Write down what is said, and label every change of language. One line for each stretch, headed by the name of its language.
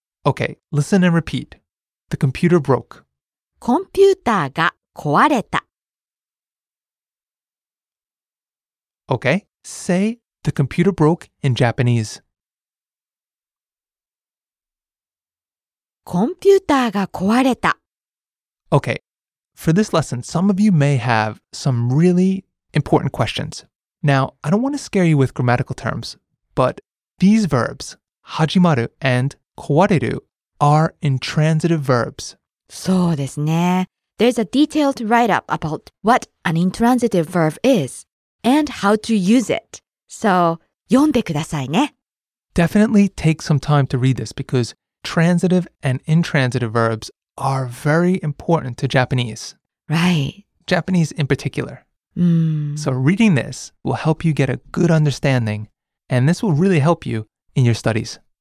English: Okay, listen and repeat. The computer broke.
Japanese: コンピューターが壊れた.
English: Okay, say the computer broke in Japanese.
Japanese: コンピューターが壊れた.
English: Okay, for this lesson, some of you may have some really important questions. Now, I don't want to scare you with grammatical terms, but these verbs, 始まる and 壊れる, are intransitive verbs.
Japanese: そうですね.
English: There's a detailed write-up about what an intransitive verb is and how to use it.
Japanese: So, 読んでくださいね.
English: Definitely take some time to read this because transitive and intransitive verbs are very important to Japanese. Right. Japanese in particular. Mm. So reading this will help you get a good understanding, and this will really help you in your studies.